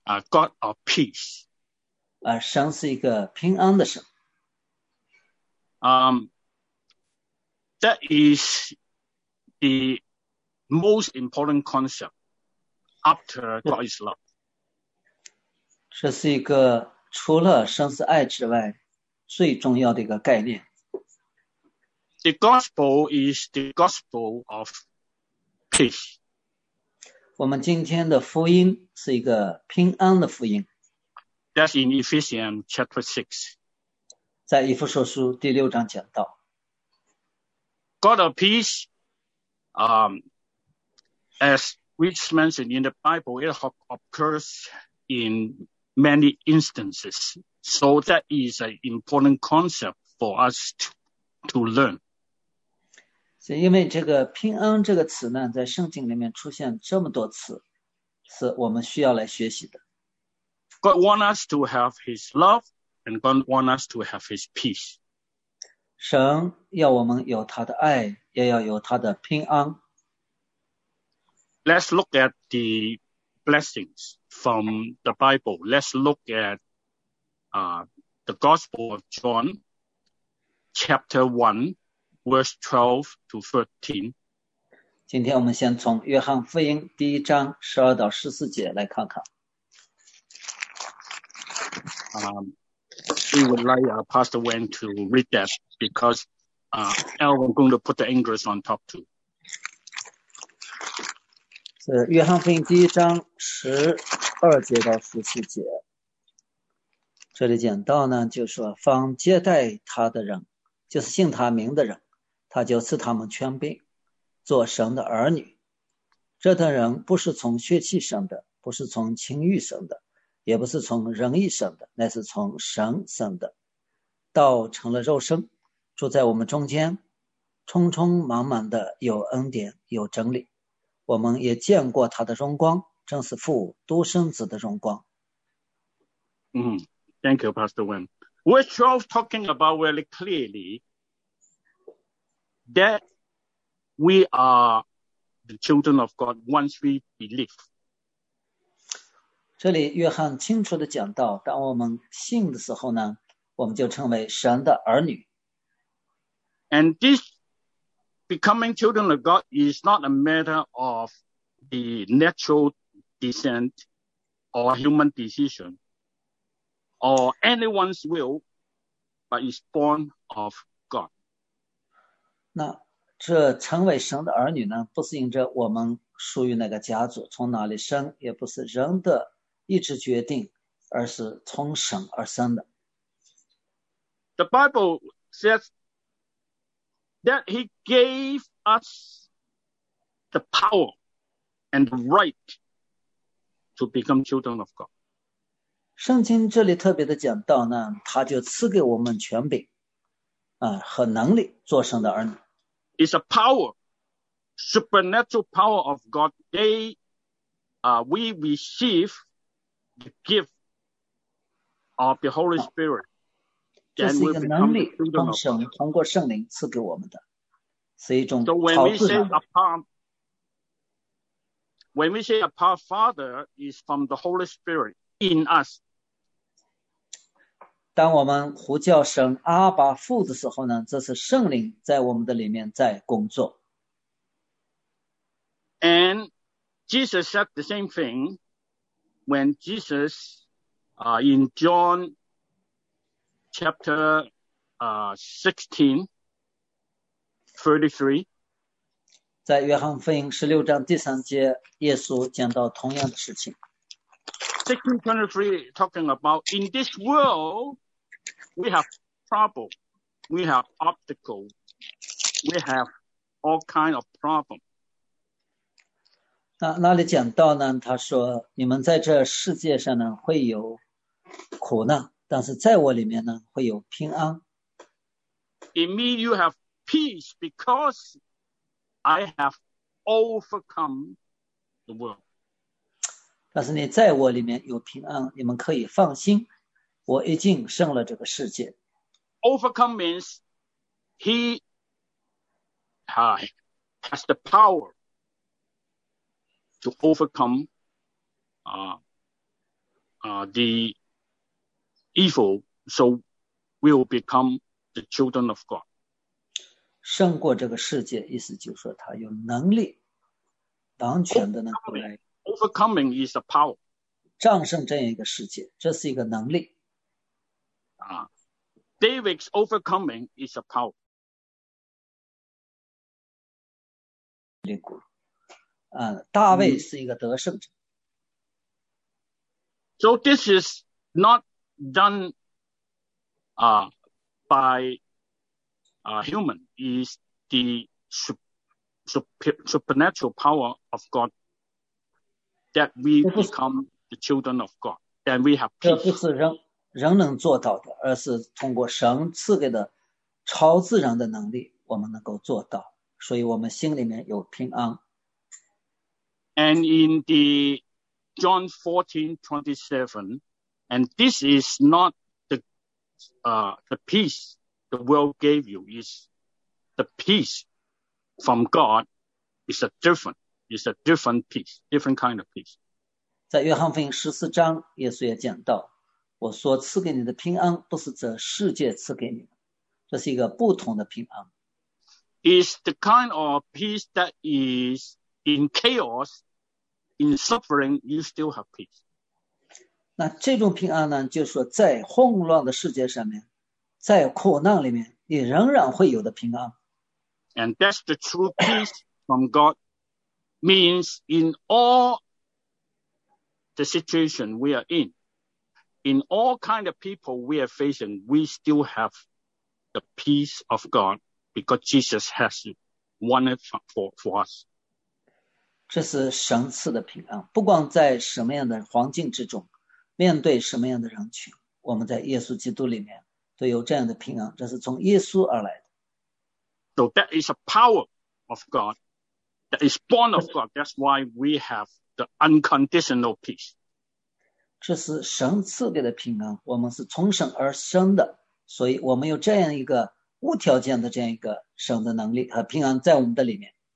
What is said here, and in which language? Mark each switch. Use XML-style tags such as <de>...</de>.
<en>God of peace.</en> <zh>神是一个平安的神。</zh> <en>That is the most important concept after God is love.</en> <zh>这是一个除了神是爱之外最重要的一个概念。</zh> <en>The gospel is the gospel of peace.</en> <zh>我们今天的福音是一个平安的福音。</zh> <en>That's in Ephesians chapter 6.</en> <zh>在以弗所书第六章讲到。</zh> <en>God of peace, as which mentioned in the Bible, it occurs in many instances. So that is an important concept for us to learn.</en> <zh>所以因为这个平安这个词呢，在圣经里面出现这么多次，是我们需要来学习的。</zh> <en>God want us to have his love, and God want us to have his peace.</en> <zh>神要我们有他的爱，也要有他的平安。</zh> <en>Let's look at the blessings from the Bible. Let's look at the Gospel of John, chapter 1. Verse 12 to 13.</en> <zh>今天我们先从约翰福音第一章十二到十四节来看看。</zh> <en>We would like Pastor Wen to read that because I'm going to put the English on top too.</en> <zh>是约翰福音第一章十二节到十四节。这里讲到呢，就是说方接待他的人，就是信他名的人。他就赐他们权柄做神的儿女。这等人不是从血气生的，不是从情欲生的，也不是从人意生的，乃是从神生的。道成了肉身，住在我们中间，充充满满的有恩典有真理。我们也见过他的荣光，正是父独生子的荣光。</zh> <en>Thank you, Pastor Wen. Verse 12 talking about really clearlyThat we are the children of God once we believe.</en> <zh>这里约翰清楚地讲到，当我们信的时候呢，我们就成为神的儿女。</zh> <en>And this becoming children of God is not a matter of the natural descent or human decision or anyone's will, but is born of God.</en> <zh>那这成为神的儿女呢，不是因着我们属于哪个家族，从哪里生，也不是人的意志决定，而是从神而生的。</zh> <en>The Bible says that he gave us the power and the right to become children of God.</en> <zh>圣经这里特别的讲到呢，他就赐给我们权柄和能力做神的儿女。</zh> <en>It's a power, supernatural power of God. We receive the gift of the Holy Spirit.</en> <zh>这是一个能力，从神通过圣灵赐给我们的，是一种超自然。</zh> <en>When we say apart, Father is from the Holy Spirit in us.</en> <zh>当我们呼叫神阿爸父的时候呢，这是圣灵在我们的里面在工作。</zh> <en>And Jesus said the same thing when Jesus, in John chapter, 16:33.</en> <zh>在约翰福音十六章第三节，耶稣讲到同样的事情。</zh> <en>16:23 talking about in this world we have trouble, we have obstacle, we have all kind of problem.</en> <zh>那里讲到呢，他说你们在这世界上呢会有苦难，但是在我里面呢会有平安。</zh> <en>In me you have peace because. I have overcome the world.</en> <zh>但是你在我里面有平安，你们可以放心，我已经胜了这个世界。</zh> <en>Overcome means he has the power to overcome the evil, so we will become the children of God.</en> <zh>胜过这个世界，意思就是说他有能力，完全的能够来</zh> <en>overcoming is a power，</en> <zh>战胜这样一个世界，这是一个能力。</zh> <en>David's overcoming is a power。</en> <zh>大卫是一个得胜者。</zh> <en>So this is not done, by. Human is the supernatural power of God that we become the children of God, and we have peace.</en> <zh>这不是人能做到的，而是通过神赐给的超自然的能力，我们能够做到。所以我们心里面有平安。</zh> <en>And in the John 14:27, and this is not the peace. The world gave you is the peace from God is a different peace, different kind of peace.</en> <zh>在约翰福音十四章，耶稣也讲到，我所赐给你的平安不是这世界赐给你的，这是一个不同的平安。</zh> <en>Is the kind of peace that is in chaos, in suffering, you still have peace.</en> <zh>那这种平安呢，就是说在混乱的世界上面。在苦难里面，你仍然会有的平安。</zh> <en>And that's the true peace from God means in all the situation we are in all kind of people we are facing, we still have the peace of God because Jesus has won it for us.</en> <zh>这是神赐的平安，不管在什么样的环境之中，面对什么样的人群，我们在耶稣基督里面。都有这样的平安，这是从耶稣而来的。</zh> <en>So that is a power of God that is born of God. That's why we have the unconditional peace.</en> <zh>这是神赐给的平安，我们是从神而生的，所以我们有这样一个无条件的这样一个神的能力和平安在我们的里面。</zh>